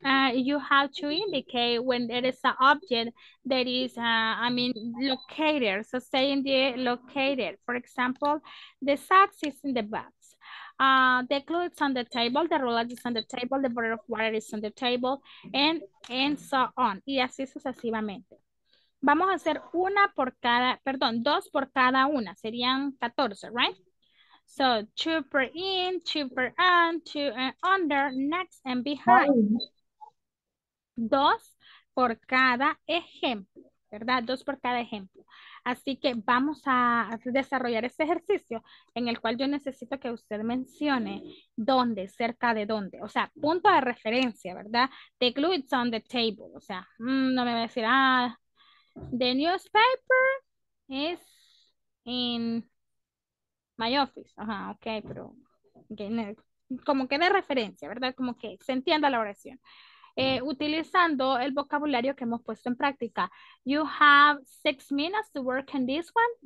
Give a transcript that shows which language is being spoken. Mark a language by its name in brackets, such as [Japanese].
[English] You have to indicate when there is an object that is, located. So say in the located. For example, the socks is in the box. The clue is on the table. The ruler is on the table. The bottle of water is on the table. And so on. [Spanish] Y así sucesivamente. Vamos a hacer una por cada, perdón, dos por cada una. Serían 14, [English] right? So, two per in, two per on, two under, next and behind. [Spanish] Dos por cada ejemplo, ¿verdad? Dos por cada ejemplo. Así que vamos a desarrollar este ejercicio en el cual yo necesito que usted mencione dónde, cerca de dónde. O sea, punto de referencia, ¿verdad? [English] The glue is on the table. [Spanish] O sea, no me va a decir, [English] the newspaper is in my office. [Spanish] Ajá, ok, pero como que de referencia, ¿verdad? Como que se entienda la oración. Utilizando el vocabulario que hemos puesto en práctica. [English] You have 6 minutes to work on this one.